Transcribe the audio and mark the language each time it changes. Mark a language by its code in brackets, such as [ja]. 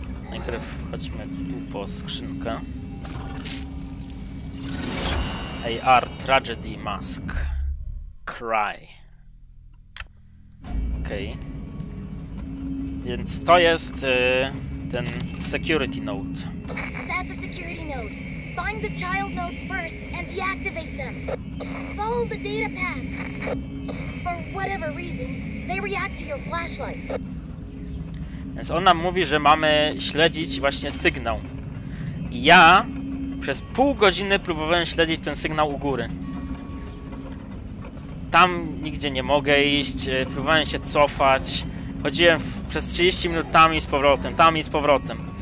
[pl] Najpierw chodźmy tu po skrzynkę. [en] AR Tragedy Mask. Cry. [pl] Okej. Więc to jest ten security note. [en] That's a security note. Find the child notes first and deactivate them. Follow the data paths. For whatever reason, they react to your flashlight. [pl] Więc on nam mówi, że mamy śledzić właśnie sygnał. I ja przez pół godziny próbowałem śledzić ten sygnał u góry. Tam nigdzie nie mogę iść, próbowałem się cofać. Chodziłem przez 30 minut tam i z powrotem, tam i z powrotem.